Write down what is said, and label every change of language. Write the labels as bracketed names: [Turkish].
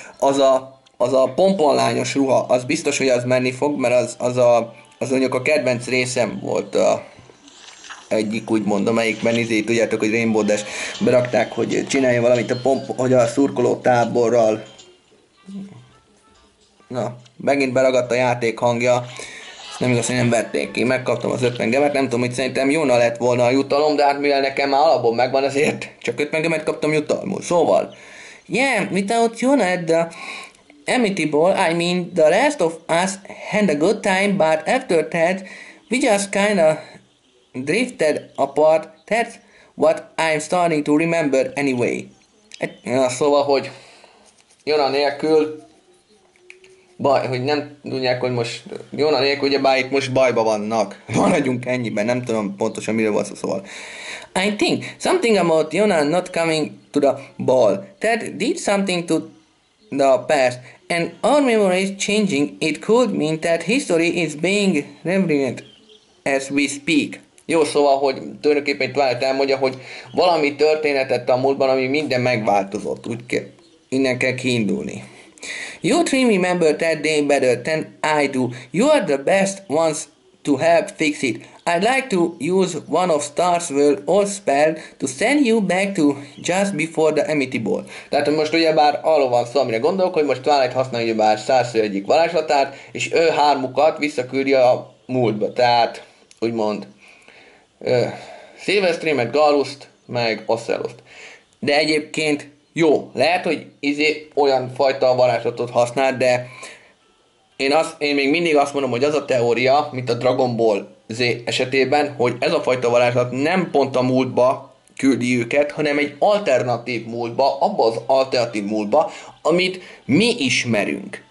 [Hungarian] Az a pomponlányos ruha, az biztos, hogy az menni fog, mert az mondjuk a kedvenc részem volt a egyik, úgy mondom, melyik menizé, tudjátok, hogy Rainbow Dash berakták, hogy csinálja valamit a pomp, hogy a szurkoló táborral Na, megint beragadt a játék hangja. Ezt nem igaz, hogy nem verték ki. Megkaptam az 50 gemet, nem tudom, hogy szerintem jóna lett volna a jutalom, de hát mivel nekem már alapból megvan, ezért csak 50 gemet kaptam jutalmul. [English] Szóval, yeah, without you at the amityból, I mean, the last of us had a good time, but after that, we just kinda drifted apart. That's what I'm starting to remember anyway. [Hungarian] Na, szóval, hogy Jona nélkül baj, hogy nem tudják, hogy most Jona nélkül, ugye bár itt most bajba vannak. Maradjunk ennyiben, nem tudom pontosan miről van szó, szóval. [English] I think something about Jona not coming to the ball. That did something to the past. And our memory is changing. It could mean that history is being rewritten as we speak. [Hungarian] Jó, szóval, hogy tulajdonképpen itt Twilight elmondja, hogy valami történetett a múltban, ami minden megváltozott. Úgy kell, innen kell kiindulni. [English] You three remember that day better than I do. You are the best ones to help fix it. I'd like to use one of Star's World old spell to send you back to just before the Amity Ball. [Hungarian] Tehát most ugyebár arról van szó, amire gondolok, hogy most Twilight használja ugyebár Star's World egyik varázslatát, és ő hármukat visszaküldi a múltba. Tehát, úgymond, Silvestrimet, Galuszt, meg Ocelot. De egyébként jó, lehet, hogy izé olyan fajta varázslatot használ, de én még mindig azt mondom, hogy az a teória, mint a Dragon Ball Z esetében, hogy ez a fajta varázslat nem pont a múltba küldi őket, hanem egy alternatív múltba, abba az alternatív múltba, amit mi ismerünk.